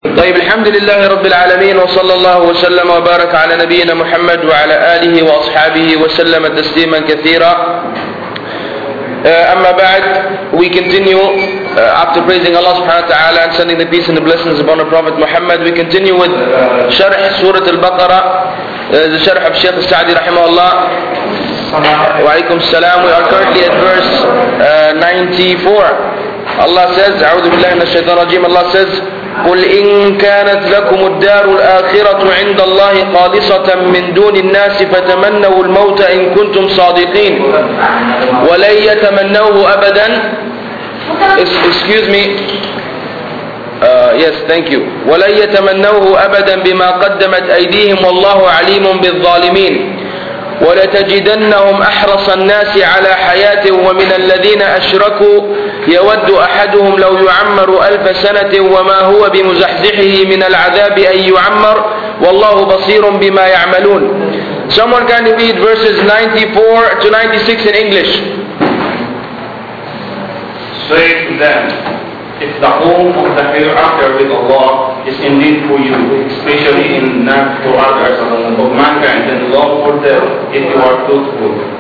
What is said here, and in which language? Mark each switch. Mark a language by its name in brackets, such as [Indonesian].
[Arabic] طيب الحمد لله رب العالمين وصلى الله وسلم وبارك على نبينا محمد وعلى آله وأصحابه وسلم تسليما كثيرا. أما بعد, [English] we continue after praising Allah سبحانه وتعالى and sending the peace and the blessings upon the Prophet Muhammad. We continue with [Arabic] شرح سورة البقرة, [English] the شرح of Sheikh السعدي رحمه الله. [Arabic] وعليكم السلام. [English] We are currently at verse 94. Allah says, [Arabic] أعوذ بالله من الشيطان الرجيم. Allah says, قل إن كانت لكم الدار الآخرة عند الله خالصة من دون الناس فتمنوا الموت إن كنتم صادقين ولن يتمنوه أبدا. [English] Excuse me. Yes, thank you. [Arabic] ولن يتمنوه أبدا بما قدمت أيديهم والله عليم بالظالمين. ولتجدنهم أحرص الناس على حياة ومن الذين أشركوا يود أحدهم لو يعمر ألف سنة وما هو بمزحزحه من العذاب أن يعمر والله بصير بما يعملون. [English] Someone can read verses 94 to 96 in English. Say to them, if the home of the hereafter with Allah is indeed for you, especially in not for others of mankind, then love for them if you are truthful.